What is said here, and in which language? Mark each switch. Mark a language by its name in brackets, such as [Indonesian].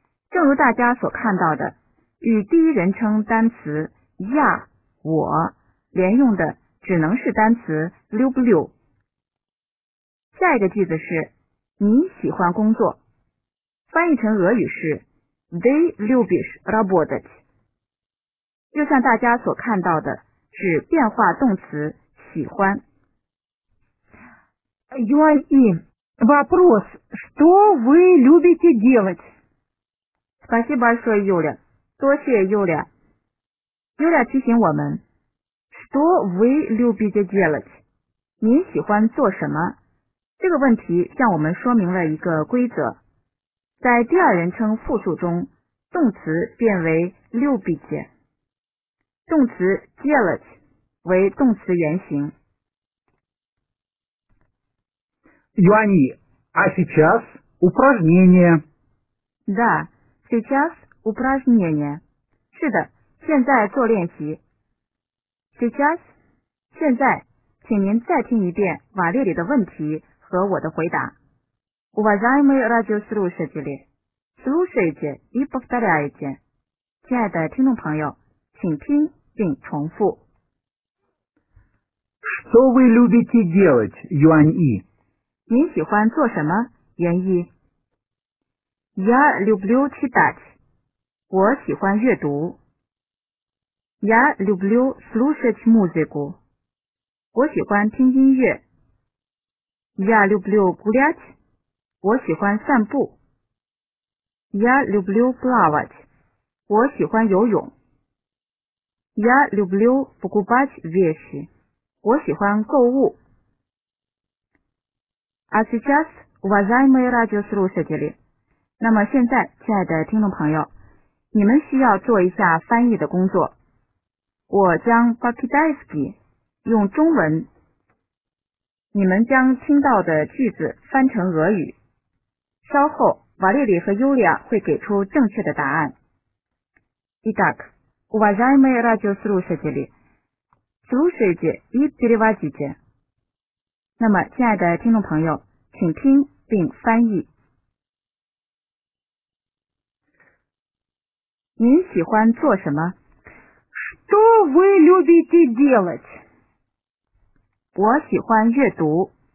[Chinese] 正如大家所看到的，与第一人称单词呀我连用的只能是单词 люблю。下一个句子是你喜欢工作，翻译成俄语是 they [Russian] любишь работать。 [Chinese] 就像大家所看到的，只变化动词喜欢。 [Russian] Юань И, вопрос, что вы любите делать? Спасибо большое, Юля. [Chinese] 多谢 [Russian] Юля. [Chinese] Юля 提醒我们 [Russian] Что вы любите делать? [Chinese] 你喜欢做什么？这个问题向我们说明了一个规则。在第二人称复数中，动词变为 любите. 动词 делать 为动词原形。 [Russian] Юань И, а сейчас упражнение. Да. Сейчас упражнение. [Chinese] 是的，现在做练习。 [Russian] Сейчас, [Chinese] 现在，请您再听一遍瓦列里的问题和我的回答。 [Russian] Уважаемые радиослушатели, слушайте и повторяйте. [Chinese] 亲爱的听众朋友，请听并重复。 [Russian] Что вы любите делать, Юань И? [Chinese] 您喜欢做什么，Юань И? [Russian] Я люблю читать. [Chinese] 我喜欢阅读。 [Russian] Я люблю слушать музыку. [Chinese] 我喜欢听音乐。 [Russian] Я люблю гулять. [Chinese] 我喜欢散步。 [Russian] Я люблю плавать. [Chinese] 我喜欢游泳。 [Russian] Я люблю покупать вещи. [Chinese] 我喜欢购物。 [Russian] А сейчас, уважаемые радиослушатели. [Chinese] 那么现在，亲爱的听众朋友，你们需要做一下翻译的工作。我将 Bakidaisky 用中文，你们将听到的句子翻成俄语。稍后，瓦列里和尤利亚会给出正确的答案。 [Russian] Итак, уважаемые радиослушатели, слушайте и переводите. [Chinese] 那么，亲爱的听众朋友，请听并翻译。您喜欢做什么 [Russian] ？Что вы любите делать? [Chinese] 我喜欢阅读。